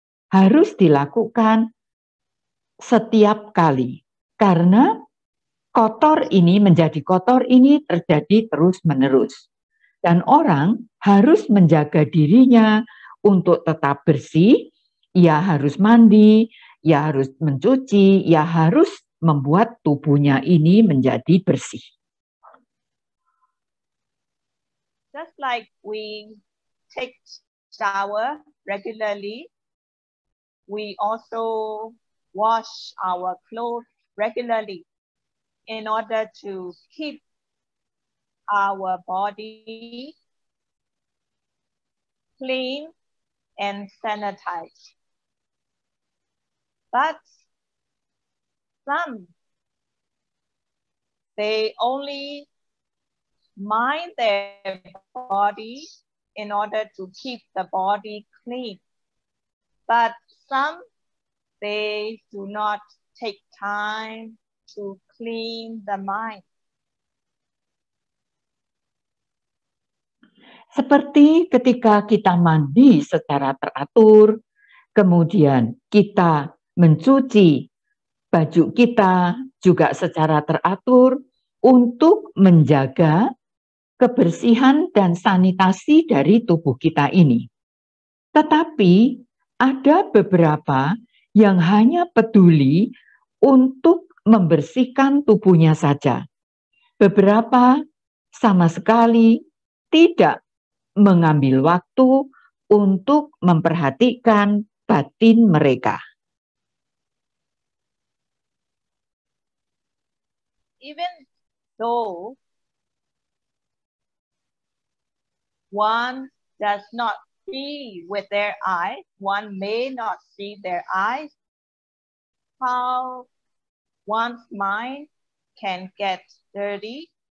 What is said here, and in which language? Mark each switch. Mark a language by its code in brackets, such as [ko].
[id] Harus dilakukan setiap kali karena kotor ini terjadi terus-menerus. Dan orang harus menjaga dirinya untuk tetap bersih. Ia harus mandi, ia harus mencuci, ia harus membuat tubuhnya ini menjadi bersih. [en] Just like we take shower regularly, we also wash our clothes regularly in order to keep our body clean and sanitized. But some, they only mind their body in order to keep the body clean. But some, they do not take time to clean the mind. [id] Seperti ketika kita mandi secara teratur, kemudian kita mencuci baju kita juga secara teratur untuk menjaga kebersihan dan sanitasi dari tubuh kita ini. Tetapi ada beberapa yang hanya peduli untuk membersihkan tubuhnya saja. Beberapa sama sekali tidak mengambil waktu untuk memperhatikan batin mereka. [en] Even though one does not see with their eyes, one may not see their eyes, how one's mind can get dirty.